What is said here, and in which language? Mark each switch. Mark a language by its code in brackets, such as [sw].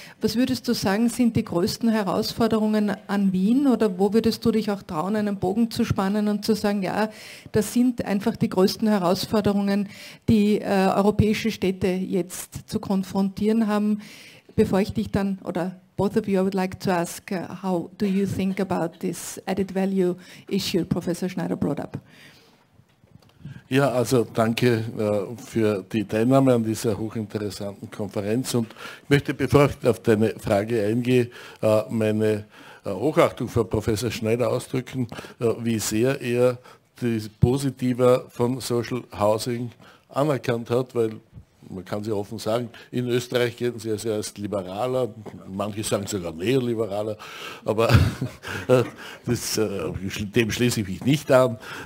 [de] was würdest du sagen, sind die größten Herausforderungen an Wien, oder wo würdest du dich auch trauen, einen Bogen zu spannen und zu sagen, ja, das sind einfach die größten Herausforderungen, die europäische Städte jetzt zu konfrontieren haben? Bevor ich dich dann oder [en] both of you, I would like to ask, how do you think about this added value issue Professor Schneider brought up? [de] Ja, also danke für die Teilnahme an dieser hochinteressanten Konferenz und ich möchte, bevor ich auf deine Frage eingehe, meine Hochachtung vor Professor Schneider ausdrücken, wie sehr er die Positiva von Social Housing anerkannt hat, weil man kann sie offen sagen, in Österreich gelten sie also als Liberaler, manche sagen sogar Neoliberaler, aber das, dem schließe ich mich nicht an.